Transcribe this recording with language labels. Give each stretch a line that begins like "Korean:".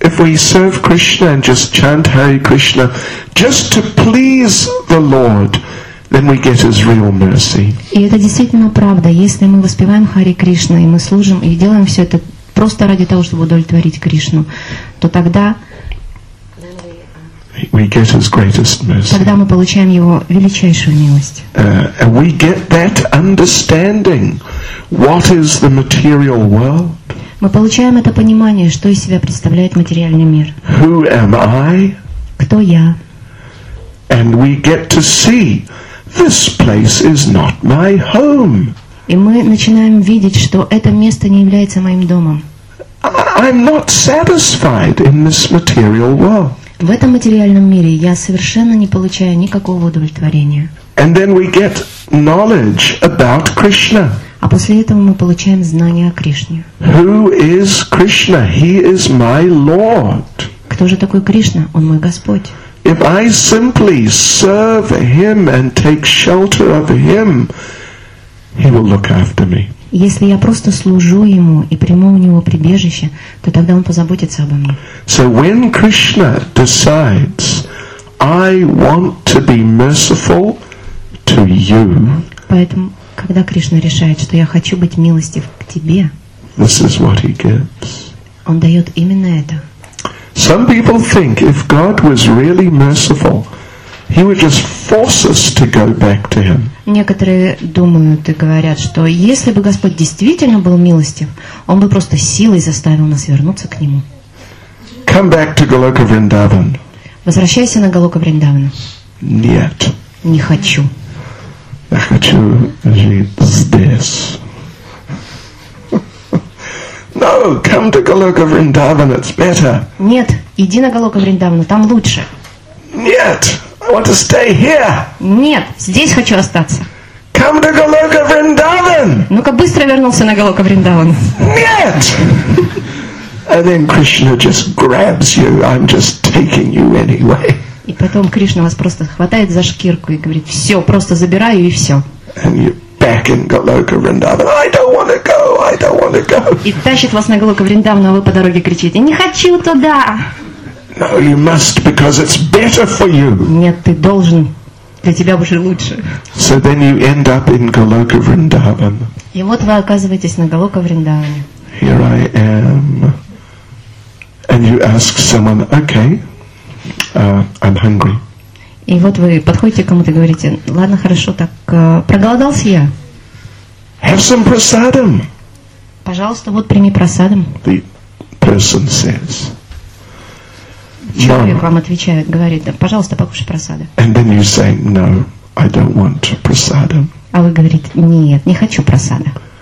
English: If we serve Krishna and just chant Hare Krishna, just to please the Lord, then we get His real mercy.
Russian: И это действительно правда. Если мы воспеваем Хари Кришна и мы служим и делаем все это просто ради того, чтобы удовлетворить Кришну, то тогда
English: we get His greatest mercy.
Russian: Тогда мы получаем Его величайшую милость.
English: And we get that understanding. What is the material world?
Russian: Мы получаем это понимание, что из себя представляет материальный мир.
English: Who am I?
Russian: Кто я?
English: And we get to see, this place is not my home.
Russian: И мы начинаем видеть, что это место не является моим домом.
English: I'm not satisfied in this material world.
Russian: В этом материальном мире я совершенно не получаю никакого удовлетворения.
English: And then we get knowledge about Krishna.
Russian: А после этого мы получаем знание о Кришне.
English: Who is Krishna? He is my Lord.
Russian: Кто же такой Кришна? Он мой Господь.
English: If I simply serve Him and take shelter of Him, He will look after me.
Russian: Если я просто служу Ему и приму у Него прибежище, то тогда Он позаботится обо мне.
English: So when Krishna decides, I want to be merciful to you.
Russian: Поэтому когда Кришна решает, что я хочу быть милостив к тебе,
English: this is what he gets.
Russian: Он дает именно это.
English: Some people think if God was really merciful, he would just force us to go back to him.
Russian: Некоторые думают и говорят, что если бы Господь действительно был милостив, он бы просто силой заставил нас вернуться к нему.
English: Come back to Goloka Vrindavan.
Russian: Возвращайся на Голока Вриндаван. Нет. Не хочу. Я хочу жить здесь.
English: No, come to Goloka Vrindavan, it's better.
Russian: Нет, иди на Голока Вриндавана, там лучше.
English: Нет, I want to stay here.
Russian: Нет, здесь хочу остаться.
English: Come to Goloka Vrindavan.
Russian: Ну-ка, быстро вернулся на Голока Вриндаван. Нет!
English: And then Krishna just grabs you, I'm just taking you anyway.
Russian: И потом Кришна вас просто хватает за шкирку и говорит, все, просто забираю и все.
English: And you're back in Goloka Vrindavan. I don't want to go, I don't want to go.
Russian: И тащит вас на Голока Вриндавана, а вы по дороге кричите, не хочу туда.
English: No, you must, because it's better for you.
Russian: Нет, ты должен, для тебя уже лучше.
English: So then you end up in Goloka Vrindavan.
Russian: И вот вы оказываетесь на Голока Вриндаване.
English: Here I am. And you ask someone, okay. I'm hungry.
Russian: И вот вы подходите к кому-то и говорите, ладно, хорошо, так проголодался я.
English: Have some prasadam.
Russian: Пожалуйста, вот прими прасадам.
English: The person says.
Russian: Человек вам отвечает, говорит, да, пожалуйста, покушай прасады.
English: And then you say, no, I don't want prasadam.
Russian: А вы говорите, нет, не хочу прасада.